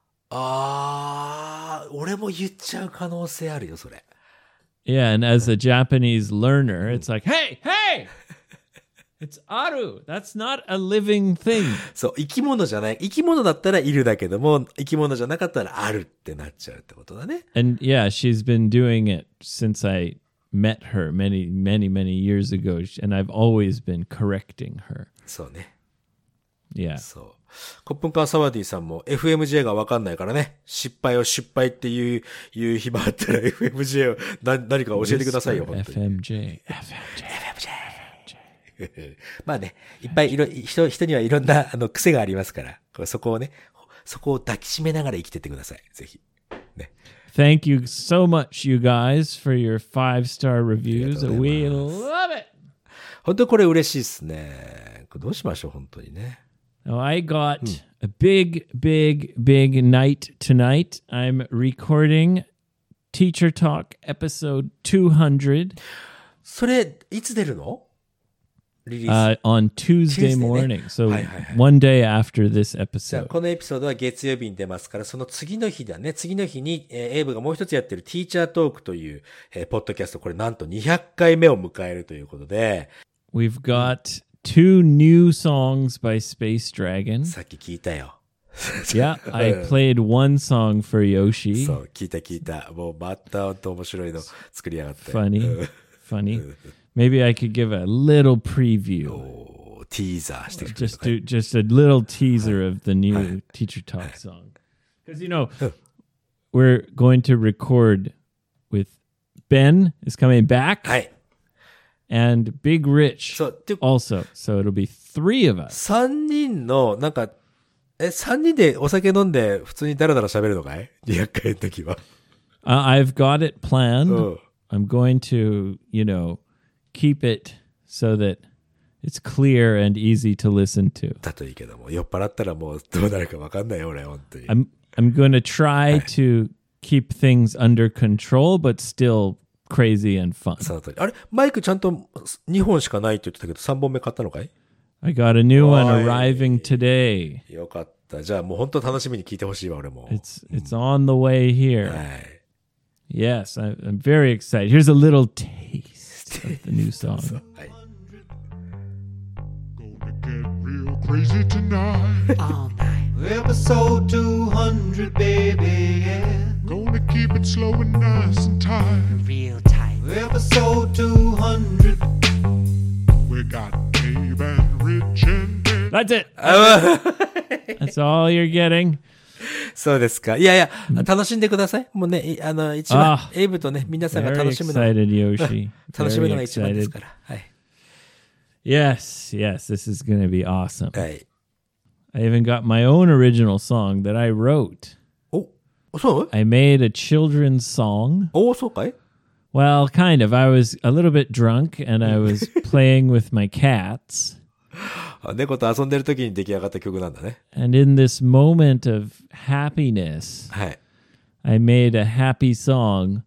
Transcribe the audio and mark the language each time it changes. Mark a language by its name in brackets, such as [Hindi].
[Japanese] ああ、俺も言っちゃう可能性あるよ、それ。 [English] Yeah, and as a Japanese learner, it's like, hey! It's aru. That's not a living thing. [Japanese] そう、生き物じゃない。生き物だったらいるだけども、生き物じゃなかったらあるってなっちゃうってことだね。 [English] And yeah, she's been doing it since I met her many, many, many years ago, and I've always been correcting her. [Japanese] そうね。 [English] Yeah. [Japanese] そう。コップンカーサワディさんも FMJ が分かんないからね、失敗を失敗っていう、暇あったら FMJ を 何か教えてくださいよ、本当に。 FMJ。 FMJ。 FMJ。まあね、いっぱい人にはいろんな癖がありますから、そこをね、そこを抱きしめながら生きててください、ぜひ。ね。 [English] Thank you so much, you guys, for your 5-star reviews. We love it! [Japanese] 本当これ嬉しいっすね。どうしましょう、本当にね。 [English] Now, I got a big, big, big night tonight. I'm recording Teacher Talk episode 200. [Japanese] それ、いつ出るの？ [English] On Tuesday morning. So, one day after this episode. [Japanese] このエピソードは月曜日に出ますから、その次の日だね。次の日に、エイブがもう一つやってる Teacher Talk という、ポッドキャスト、これなんと200回目を迎えるということで。 [English] We've got two new songs by Space Dragon. [Japanese] さっき聞いたよ。 [English] Yeah, I played one song for Yoshi. [Japanese] そう、聞いた聞いた。もうまた本当面白いの作りやがって。 [English] Funny, funny. Maybe I could give a little preview. Teaser. Just a little teaser of the new Teacher Talk song. Because, you know, we're going to record with Ben is coming back. [Japanese] はい。 [English] And Big Rich also. So it'll be three of us. [Japanese] 3人のなんか、3人でお酒飲んで普通にダラダラ喋るのかい ?200 回の時は。 [English] I've got it planned. I'm going to, you know, keep it so that it's clear and easy to listen to. [Japanese] だといいけども、酔っ払ったらもうどうなるか分かんないよ、俺、本当に。 [English] I'm going to try to keep things under control, but still... Crazy and fun. [Japanese] そのとおり。あれ、マイクちゃんと2本しかないって言ってたけど、3本目買ったのかい? [English] I got a new one arriving today. [Japanese] よかった。じゃあもう本当楽しみに聞いてほしいわ、俺も。 [English] It's on the way here. [Japanese] はい。 [English] Yes, I'm very excited. Here's a little taste of the new song. [Japanese] はい。 [English] Gonna get real crazy tonight. Episode 200, baby, yeah. Gonna keep it slow and nice and tight. Real tight. Episode 200. We got Dave and Rich and Ben. That's it. That's all you're getting. [Japanese] そうですか。いやいや、楽しんでください。もうね、一番、エイブとね、皆さんが楽しむのが。 [English] Very excited, Yoshi. [Japanese] 楽しむのが一番ですから。はい。 [English] Yes, yes, this is gonna be awesome. [Japanese] はい。 [English] I even got my own original song that I wrote. So? I made a children's song. Oh, so kai? Well, kind of. I was a little bit drunk and I was playing with my cats. [Japanese] 猫と遊んでる時に出来上がった曲なんだね。 [English] And in this moment of happiness, I made a happy song.